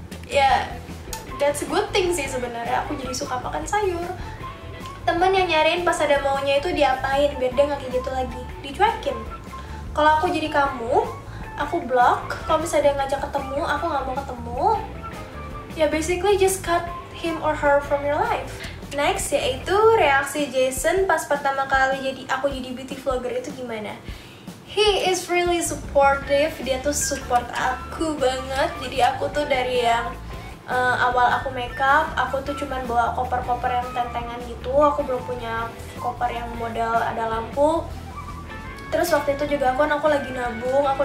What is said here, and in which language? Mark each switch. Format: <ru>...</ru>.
<id>Ya,</id> <en>that's a good thing</en> <id>sih sebenarnya. Aku jadi suka makan sayur. Temen yang nyariin pas ada maunya itu diapain biar dia gak kayak gitu lagi? Dicuekin. Kalau aku jadi kamu, aku block. Kalau misalnya dia ngajak ketemu, aku gak mau ketemu. Ya,</id> <en>basically just cut him or her from your life.</en> <id>Next, yaitu reaksi Jason pas pertama kali aku jadi beauty vlogger itu gimana?</id> <en>He is really supportive,</en> <id>dia tuh support aku banget. Jadi aku tuh dari yang awal aku makeup, aku tuh cuman bawa koper-koper yang tentengan gitu. Aku belum punya koper yang model ada lampu. Terus waktu itu juga aku lagi nabung.</id>